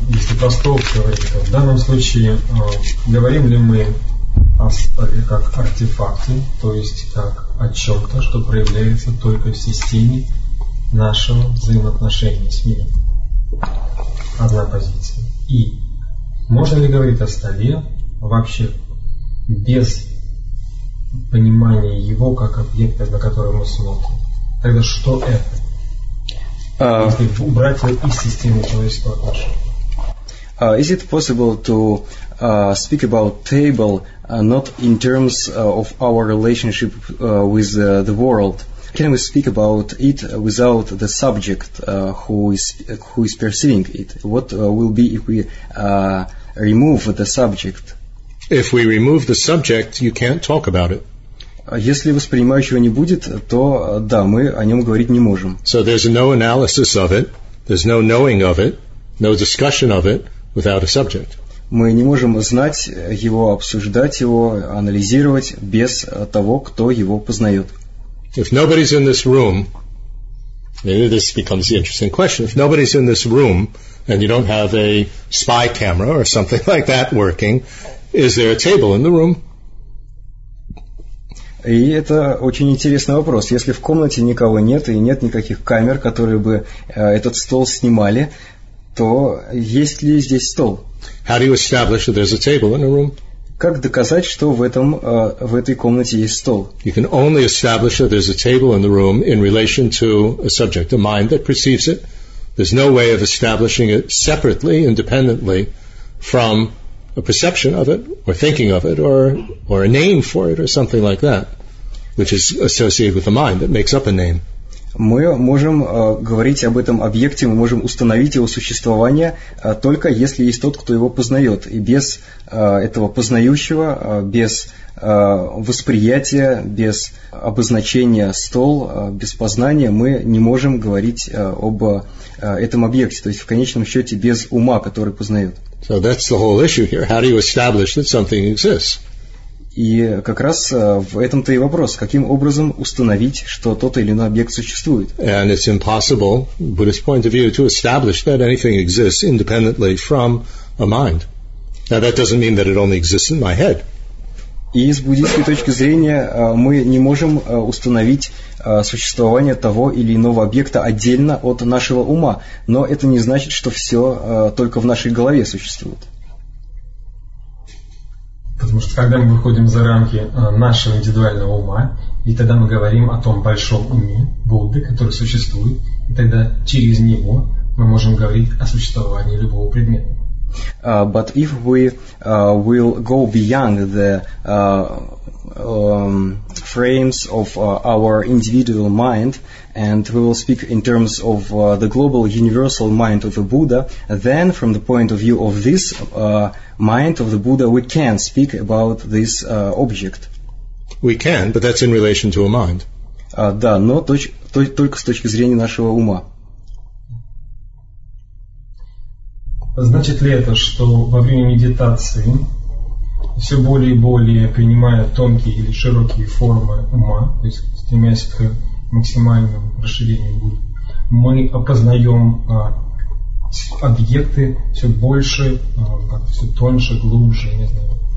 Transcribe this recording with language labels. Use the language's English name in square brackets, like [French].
[Russian] Если про стол, то в данном случае говорим ли мы как артефакты, то есть как о чем-то, что проявляется только в системе нашего взаимоотношения с миром. Одна позиция. И можно ли говорить о столе вообще без понимания его как объекта, на который мы смотрим? Тогда что это? Если убрать его из системы человеческого отношения. [English] Is it possible to speak about table not in terms of our relationship with the world? Can we speak about it without the subject who is perceiving it? What will be if we remove the subject? If we remove the subject, you can't talk about it. [Russian] Если воспринимающего не будет, то да, мы о нем говорить не можем. [English] So there's no analysis of it, there's no knowing of it, no discussion of it without a subject. [Russian] Мы не можем знать его, обсуждать его, анализировать без того, кто его познает. [English] If nobody's in this room, maybe this becomes the interesting question. If nobody's in this room and you don't have a spy camera or something like that working, is there a table in the room? [Russian] И это очень интересный вопрос. Если в комнате никого нет и нет никаких камер, которые бы этот стол снимали, то есть ли здесь стол? [English] How do you establish that there's a table in a room? [Russian] Как доказать, что в этой комнате есть стол? [English] You can only establish that there's a table in the room in relation to a subject, a mind that perceives it. There's no way of establishing it separately, independently, from a perception of it, or thinking of it, or a name for it, or something like that, which is associated with a mind that makes up a name. [Russian] Мы можем говорить об этом объекте, мы можем установить его существование только если есть тот, кто его познает. И без этого познающего, без восприятия, без обозначения стол, без познания, мы не можем говорить об этом объекте. То есть, в конечном счете, без ума, который познает. [English] So that's the whole issue here. How do you establish that something exists? [Russian] И как раз в этом-то и вопрос. Каким образом установить, что тот или иной объект существует? [English] And it's impossible, Buddhist point of view, to establish that anything exists independently from a mind. Now, that doesn't mean that it only exists in my head. [Russian] И с буддийской точки зрения мы не можем установить существование того или иного объекта отдельно от нашего ума. Но это не значит, что все только в нашей голове существует. Потому что когда мы выходим за рамки нашего индивидуального ума, и тогда мы говорим о том большом уме Будды, который существует, и тогда через него мы можем говорить о существовании любого предмета. [English] But if we will go beyond the frames of our individual mind and we will speak in terms of the global universal mind of the Buddha, then from the point of view of this mind of the Buddha, we can speak about this object. We can, but that's in relation to a mind. [Russian] Да, но только с точки зрения нашего ума. Значит ли это, что во время медитации все более и более принимая тонкие или широкие формы ума, то есть стремясь к максимальному расширению Будды, мы опознаем объекты все больше, как, все тоньше, глубже, не знаю.